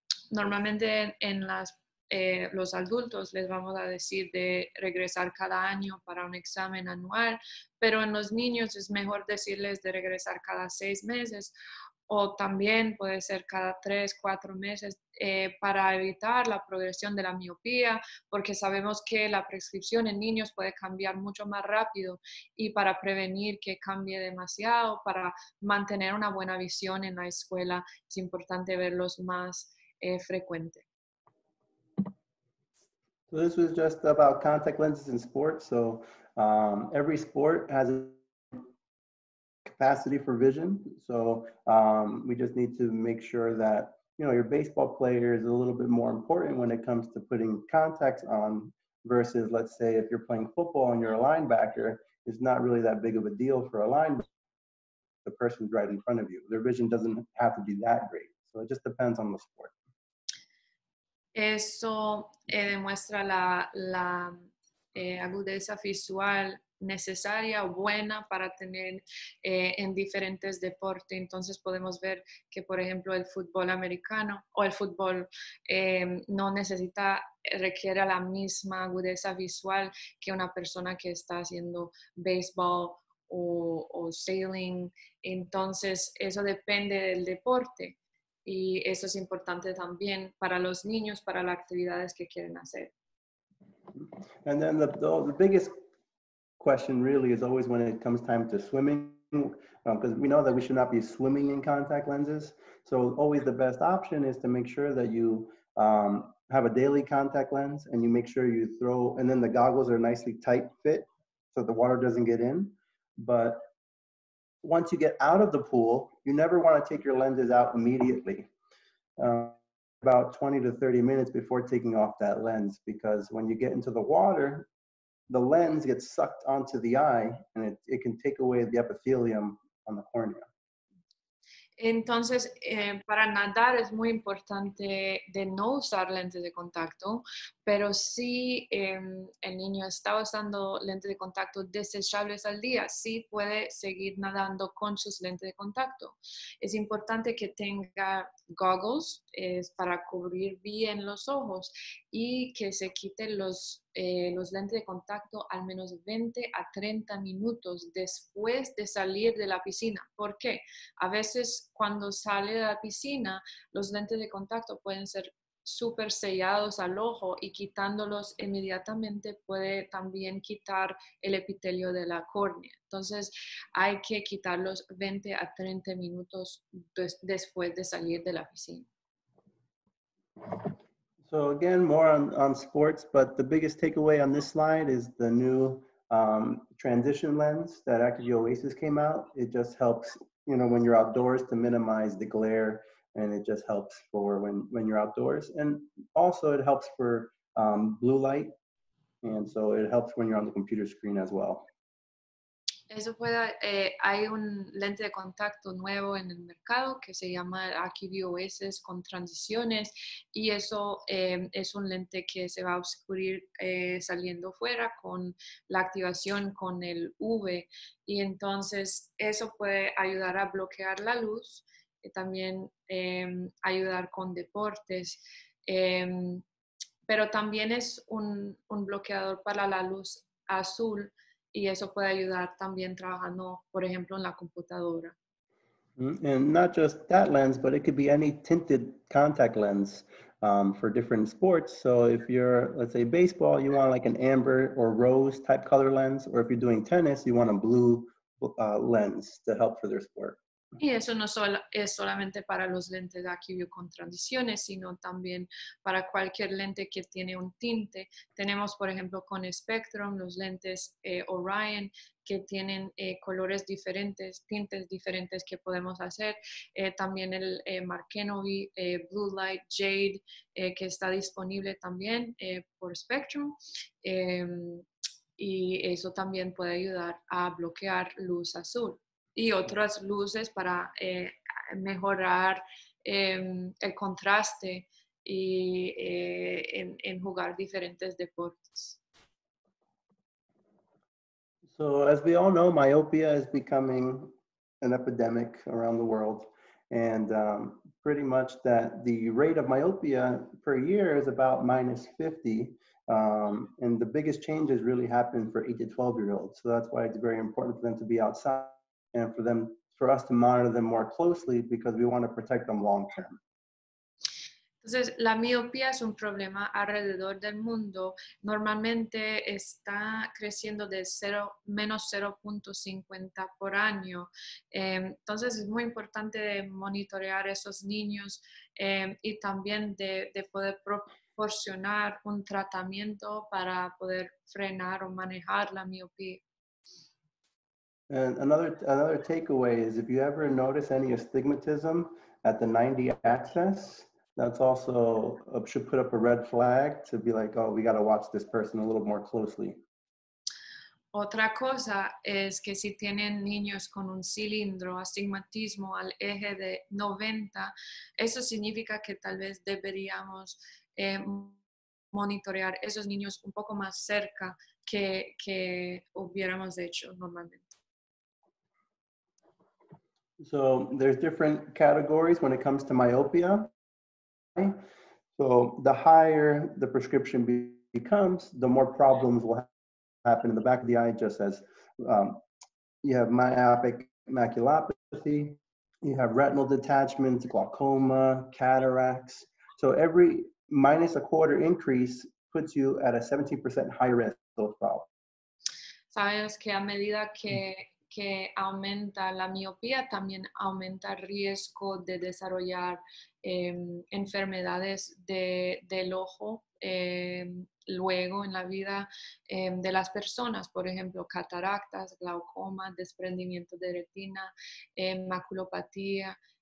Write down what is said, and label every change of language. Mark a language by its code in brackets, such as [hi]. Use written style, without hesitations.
[es] Normalmente en los adultos les vamos a decir de regresar cada año para un examen anual, pero en los niños es mejor decirles de regresar cada 6 meses o también puede ser cada 3-4 meses para evitar la progresión de la miopía, porque sabemos que la prescripción en niños puede cambiar mucho más rápido y para prevenir que cambie demasiado, para mantener una buena visión en la escuela es importante verlos más frecuente. [en] So this was just about contact lenses in sports. So every sport has capacity for vision. So we just need to make sure that, you know, your baseball player is a little bit more important when it comes to putting contacts on versus, let's say, if you're playing football and you're a linebacker, it's not really that big of a deal for a linebacker. The person's right in front of you. Their vision doesn't have to be that great. So it just depends on the sport. [es] Eso demuestra la agudeza visual necesaria, buena para tener en diferentes deportes. Entonces podemos ver que, por ejemplo, el fútbol americano o el fútbol no necesita, requiere la misma agudeza visual que una persona que está haciendo béisbol o sailing. Entonces eso depende del deporte. Y eso es importante también para los niños, para las actividades que quieren hacer. [en] And then the biggest question really is always when it comes time to swimming, because we know that we should not be swimming in contact lenses. So always the best option is to make sure that you have a daily contact lens, and you make sure you throw, and then the goggles are nicely tight fit so the water doesn't get in. But once you get out of the pool, you never want to take your lenses out immediately, about 20 to 30 minutes before taking off that lens, because when you get into the water, the lens gets sucked onto the eye and it can take away the epithelium on the cornea. [es] Entonces, para nadar es muy importante de no usar lentes de contacto, pero si el niño está usando lentes de contacto desechables al día, sí puede seguir nadando con sus lentes de contacto. Es importante que tenga goggles para cubrir bien los ojos y que se quite los lentes de contacto al menos 20 a 30 minutos después de salir de la piscina. ¿Por qué? A veces cuando sale de la piscina, los lentes de contacto pueden ser súper sellados al ojo y quitándolos inmediatamente puede también quitar el epitelio de la córnea. Entonces hay que quitarlos 20 a 30 minutos después de salir de la piscina. [en] So again, more on sports, but the biggest takeaway on this slide is the new transition lens that Acuvue Oasis came out. It just helps, you know, when you're outdoors to minimize the glare, and it just helps for when you're outdoors. And also it helps for blue light. And so it helps when you're on the computer screen as well. [es] Eso puede, hay un lente de contacto nuevo en el mercado que se llama Acuvue Oasis con transiciones y eso es un lente que se va a obscurir saliendo fuera con la activación con el UV y entonces eso puede ayudar a bloquear la luz y también ayudar con deportes. Pero también es un bloqueador para la luz azul. Y eso puede ayudar también trabajando, por ejemplo, en la computadora. [en] And not just that lens, but it could be any tinted contact lens for different sports. So if you're, let's say, baseball, you want like an amber or rose type color lens. Or if you're doing tennis, you want a blue lens to help for their sport. [es] Y eso no solo es solamente para los lentes de Acuvue con transiciones, sino también para cualquier lente que tiene un tinte. Tenemos, por ejemplo, con Spectrum, los lentes Orion, que tienen colores diferentes, tintes diferentes que podemos hacer. También el Markenovi Blue Light Jade, que está disponible también por Spectrum. Y eso también puede ayudar a bloquear luz azul. Y otras luces para mejorar el contraste y en jugar diferentes deportes. [en] So as we all know, myopia is becoming an epidemic around the world. And pretty much that the rate of myopia per year is about minus 50. And the biggest changes really happen for 8 to 12 year olds. So that's why it's very important for them to be outside. And for us to monitor them more closely because we want to protect them long term. [es] Entonces, la miopía es un problema alrededor del mundo. Normalmente está creciendo de menos 0.50 por año. Entonces, es muy importante de monitorear esos niños y también de poder proporcionar un tratamiento para poder frenar o manejar la miopía. [en] And another takeaway is if you ever notice any astigmatism at the 90 access, that's also should put up a red flag to be like, oh, we got to watch this person a little more closely. [es] Otra cosa es que si tienen niños con un cilindro, astigmatismo al eje de 90, eso significa que tal vez deberíamos monitorear esos niños un poco más cerca que hubiéramos hecho normalmente. [en] So there's different categories when it comes to myopia. So the higher the prescription becomes, the more problems will happen in the back of the eye, just as you have myopic maculopathy, you have retinal detachments, glaucoma, cataracts. So every minus a quarter increase puts you at a 17% higher risk of those problems. [es] Sabes que a medida que aumenta la miopía, también aumenta el riesgo de desarrollar enfermedades del ojo luego en la vida de las personas, por ejemplo, cataractas, glaucoma, desprendimiento de retina, maculopatía.